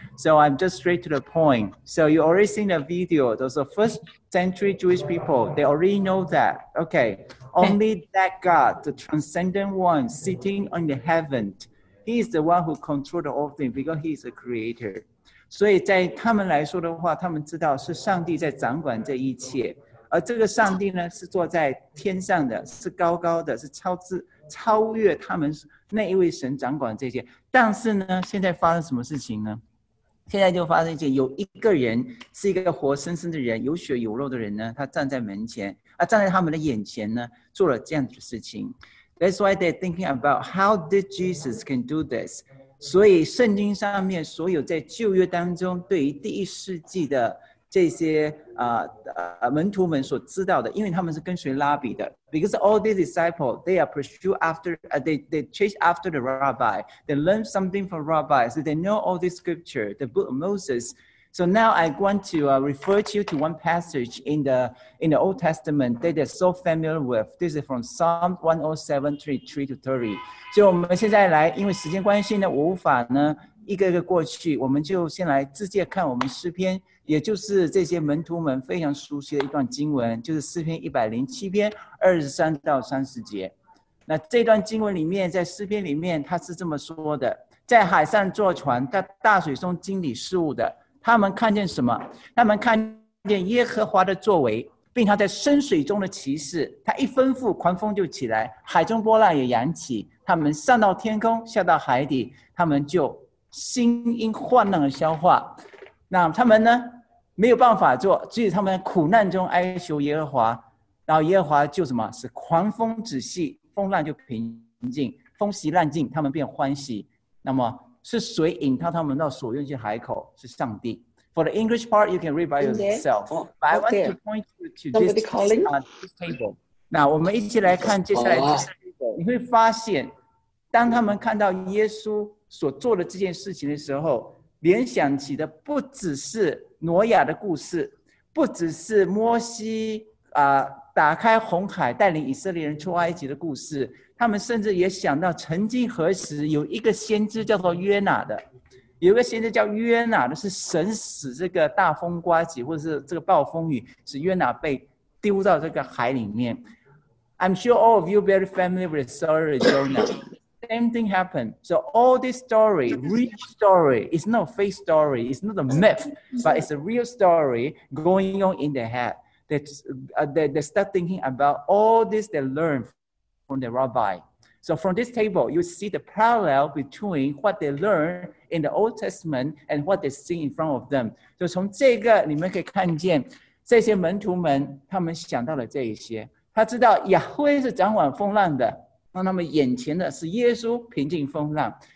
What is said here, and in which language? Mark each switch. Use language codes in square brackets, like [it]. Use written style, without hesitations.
[en] So I'm just straight to the point. So you already seen the video. Those are first century Jewish people. They already know that. Okay. Only that God, the transcendent one sitting on the heaven, he is the one who controls the whole thing because he is the creator. [zh] 所以在他们来说的话，他们知道是上帝在掌管这一切。而这个上帝呢，是坐在天上的，是高高的，是超越他们那一位神掌管这些。但是呢，现在发生什么事情呢？现在就发生一件，有一个人是一个活生生的人，有血有肉的人呢，他站在门前，站在他们的眼前呢，做了这样的事情。 [en] That's why they're thinking about how did Jesus can do this? [zh] 所以圣经上面所有在旧约当中对于第一世纪的这些门徒们所知道的，因为他们是跟随拉比的。 [en] Because all these disciples, they are pursued after, they chase after the rabbi. They learn something from rabbis. So they know all the scripture, the book of Moses. So now I want to refer to you to one passage in the Old Testament that they're so familiar with. This is from Psalm 107, 33 to 30. [zh] 就我们现在来，因为时间关系呢，我无法呢一个一个过去，我们就先来直接看我们诗篇，也就是这些门徒们非常熟悉的一段经文，就是诗篇107篇23到30节。那这段经文里面，在诗篇里面他是这么说的，在海上坐船，在大水中经理事务的，他们看见什么？他们看见耶和华的作为，并他在深水中的奇事。他一吩咐，狂风就起来，海中波浪也扬起，他们上到天空，下到海底，他们就心因患难而消化。那他们呢，没有办法做，所以他们苦难中哀求耶和华，然后耶和华就什么，是狂风止息，风浪就平静，风息浪静，他们便欢喜。那么是谁引导他们到所愿去海口？是上帝。 [en] For the English part, you can read by yourself. But I want to point you to this, this table. [zh] 那我们一起来看接下来这个 table. 你会发现，当他们看到耶稣所做的这件事情的时候，联想起的不只是挪亚的故事，不只是摩西打开红海带领以色列人出埃及的故事，他们甚至也想到曾经何时有一个先知叫做约拿的，有一个先知叫约拿的，是神使这个大风刮起，或者是这个暴风雨使约拿被丢到这个海里面。 [en] I'm sure all of you very familiar with the story of Jonah. Same thing happened. So all this story, real story, it's not a fake story, it's not a myth, but it's a real story going on in their head. They start thinking about all this they learned from the rabbi. So from this table, you see the parallel between what they learned in the Old Testament and what they see in front of them. [zh] 就从这个你们可以看见，这些门徒们他们想到了这一些，他知道亚辉是掌管风浪的，让他们眼前的是耶稣平静风浪。